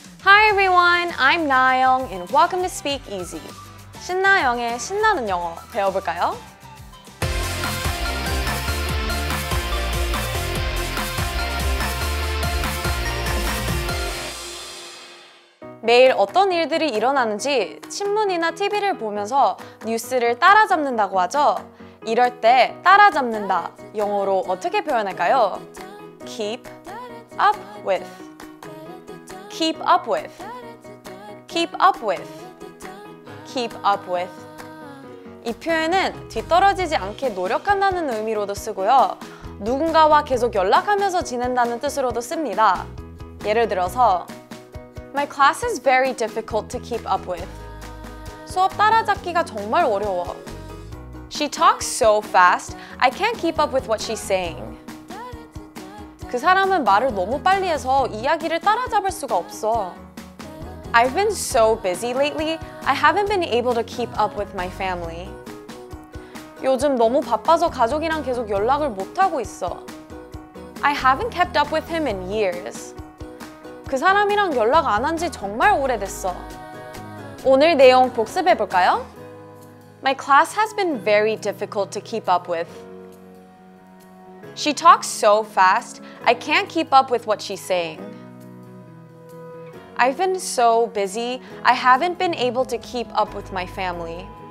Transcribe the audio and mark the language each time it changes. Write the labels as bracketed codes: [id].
[en] Hi everyone, I'm Na-young and welcome to Speak Easy. [ko] 신나영의 신나는 영어 배워볼까요? 매일 어떤 일들이 일어나는지 신문이나 TV를 보면서 뉴스를 따라잡는다고 하죠? 이럴 때 따라잡는다, 영어로 어떻게 표현할까요? [en] Keep up with. Keep up with. Keep up with. Keep up with. [ko] 이 표현은 뒤떨어지지 않게 노력한다는 의미로도 쓰고요. 누군가와 계속 연락하면서 지낸다는 뜻으로도 씁니다. 예를 들어서 [en] My class is very difficult to keep up with. [ko] 수업 따라잡기가 정말 어려워. [en] She talks so fast, I can't keep up with what she's saying. [ko] 그 사람은 말을 너무 빨리 해서 이야기를 따라잡을 수가 없어. [en] I've been so busy lately, I haven't been able to keep up with my family. [ko] 요즘 너무 바빠서 가족이랑 계속 연락을 못하고 있어. [en] I haven't kept up with him in years. [ko] 그 사람이랑 연락 안 한 지 정말 오래됐어. 오늘 내용 복습해 볼까요? [en] My class has been very difficult to keep up with. She talks so fast, I can't keep up with what she's saying. I've been so busy, I haven't been able to keep up with my family.